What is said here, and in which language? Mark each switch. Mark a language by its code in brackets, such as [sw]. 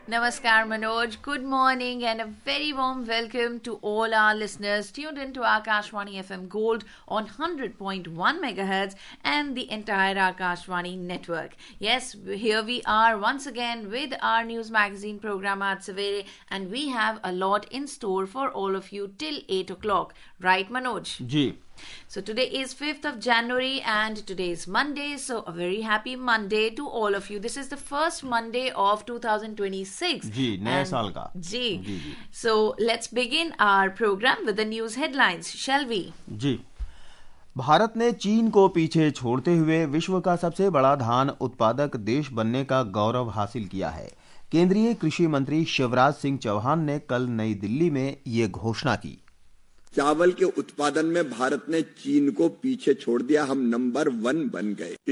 [en] नमस्कार Manoj, good morning and a very warm welcome to all our listeners tuned in to Akashvani FM Gold on 100.1 megahertz and the entire Akashvani network. Yes, here we are once again with our news magazine programme Aaj Savere and we have a lot in store for all of you till 8 o'clock, right Manoj? [hi] Ji. [en] So today is 5th of January and today is Monday. So a very happy Monday to all of you. This is the first Monday of 2026. [hi] जी, नए साल का। जी। [en] So let's begin our program with the news headlines, shall we? [hi] जी। भारत ने चीन को पीछे छोड़ते हुए विश्व का सबसे बड़ा धान उत्पादक देश बनने का गौरव हासिल किया है। केंद्रीय कृषि मंत्री शिवराज सिंह चौहान ने कल नई दिल्ली में ये घोषणा की। चावल के उत्पादन में भारत ने चीन को पीछे छोड़ दिया, हम नंबर 1 बन गए।